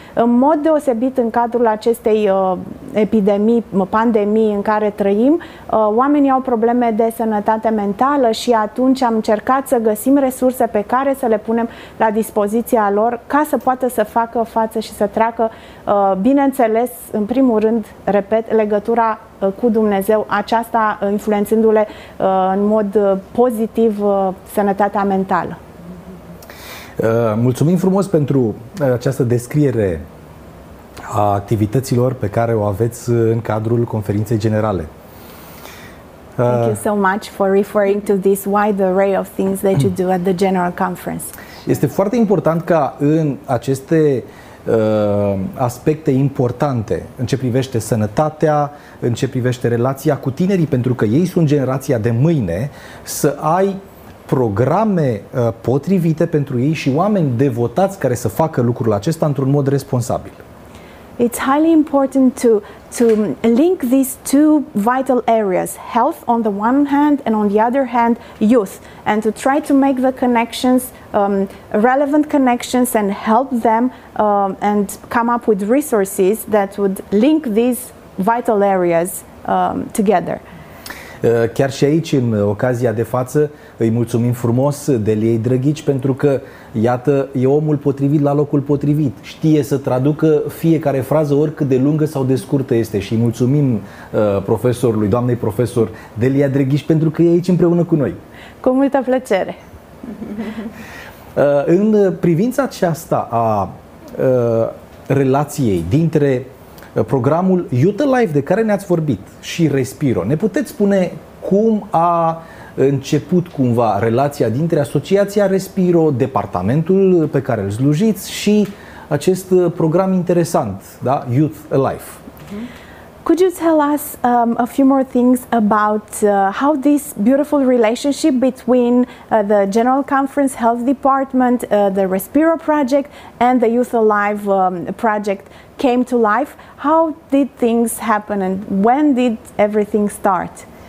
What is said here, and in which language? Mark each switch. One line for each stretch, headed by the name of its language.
Romanian: În mod deosebit, în cadrul acestei epidemii, pandemii în care trăim, oamenii au probleme de sănătate mentală și atunci am încercat să găsim resurse pe care să le punem la dispoziția lor ca să poată să facă față și să treacă, bineînțeles, în primul rând, repet, legătura cu Dumnezeu, aceasta influențându-le în mod pozitiv sănătatea mentală. Mulțumim frumos pentru această descriere a activităților pe care o aveți în cadrul conferinței generale.
English: Thank you so much for referring to this wide array of things that you do at the General Conference.
Romanian: Este foarte important ca în aceste aspecte importante în ce privește sănătatea, în ce privește relația cu tinerii, pentru că ei sunt generația de mâine, să ai programe potrivite pentru ei și oameni devotați care să facă lucrul acesta într-un mod responsabil.
English: It's highly important to link these two vital areas, health on the one hand and on the other hand youth, and to try to make the connections, relevant connections, and help them and come up with resources that would link these vital areas together.
Romanian: Chiar și aici, în ocazia de față, îi mulțumim frumos Deliei Drăghici, pentru că, iată, e omul potrivit la locul potrivit. Știe să traducă fiecare frază, oricât de lungă sau de scurtă este. Și îi mulțumim profesorului, doamnei profesor Delia Drăghici, pentru că e aici împreună cu noi. Cu multă plăcere! În privința aceasta a relației dintre programul Youth Alive, de care ne-ați vorbit, și Respiro, ne puteți spune cum a început cumva relația dintre Asociația Respiro, departamentul pe care îl slujiți, și acest program interesant, da?
English: Youth Alive. Could you tell us a few more things about how this beautiful relationship between the General Conference Health Department, the Respiro Project, and the Youth Alive Project came to life? How did things happen, and when did everything start?